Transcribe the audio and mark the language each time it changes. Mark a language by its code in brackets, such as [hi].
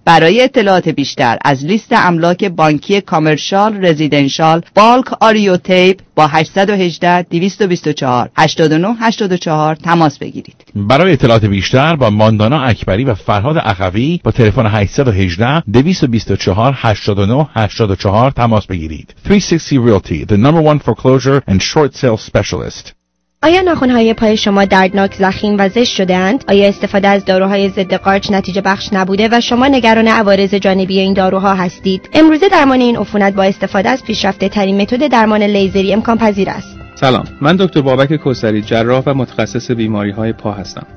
[fa] برای اطلاعات بیشتر از لیست املاک بانکی کامرشال رزیدنشال بالک آریو تیپ با 818-224-89-84 تماس بگیرید. برای اطلاعات بیشتر با ماندانا اکبری و فرهاد اخوی با تلفن 818-224-89-84 تماس بگیرید. [en] 360 Realty, the number one foreclosure and short sale specialist. [fa] آیا ناخن‌های پای شما دردناک، زخیم و زشت شده‌اند؟ آیا استفاده از داروهای ضد قارچ نتیجه بخش نبوده و شما نگران عوارض جانبی این داروها هستید؟ امروز درمان این عفونت با استفاده از پیشرفته‌ترین متد درمان لیزری امکان پذیر است. سلام، من دکتر بابک کوثری، جراح و متخصص بیماری‌های پا هستم.